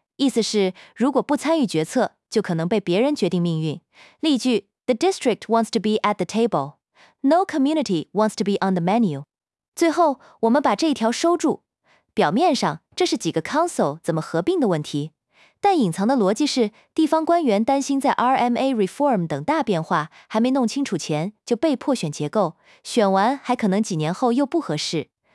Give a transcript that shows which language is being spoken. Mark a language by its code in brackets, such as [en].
[zh] 意思是如果不参与决策，就可能被别人决定命运。 [en] 例句， The district wants to be at the table. No community wants to be on the menu. [zh] 最后，我们把这一条收住。表面上，这是几个 council 怎么合并的问题，但隐藏的逻辑是，地方官员担心在 RMA reform 等大变化还没弄清楚前，就被迫选结构，选完还可能几年后又不合适。